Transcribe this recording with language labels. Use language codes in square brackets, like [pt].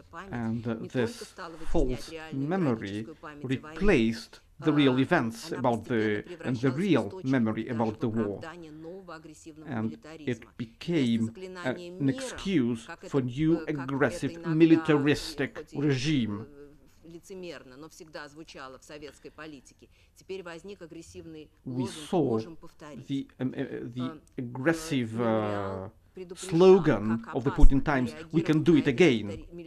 [en] And this false memory replaced the real events about the and the real memory about the war. And it became an excuse for new aggressive militaristic regime. [ru] Лицемерно, но всегда звучало в советской политике. Теперь возник агрессивный лозунг, можем повторить. [en] The aggressive slogan of the Putin times, we can do it again.